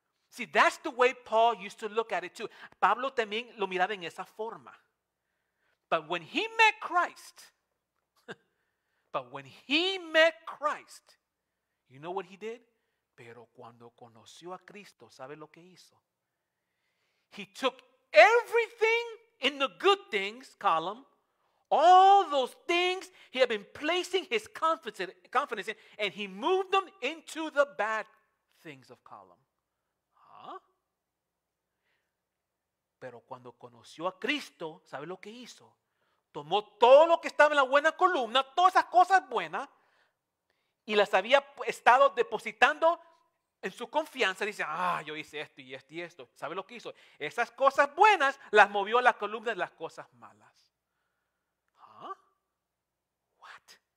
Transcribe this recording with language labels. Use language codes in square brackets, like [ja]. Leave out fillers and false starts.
[en] See, that's the way Paul used to look at it too. [es] Pablo también lo miraba en esa forma. [en] But when he met Christ, you know what he did? [es] Pero cuando conoció a Cristo, ¿sabe lo que hizo? [en] He took everything in the good things column, all those things he had been placing his confidence in, and he moved them into the bad things of column. Huh? [es] Pero cuando conoció a Cristo, ¿sabe lo que hizo? Tomó todo lo que estaba en la buena columna, todas esas cosas buenas, y las había estado depositando en su confianza. Dice, ah, yo hice esto y esto y esto. ¿Sabe lo que hizo? Esas cosas buenas las movió a la columna de las cosas malas. ¿Huh? What?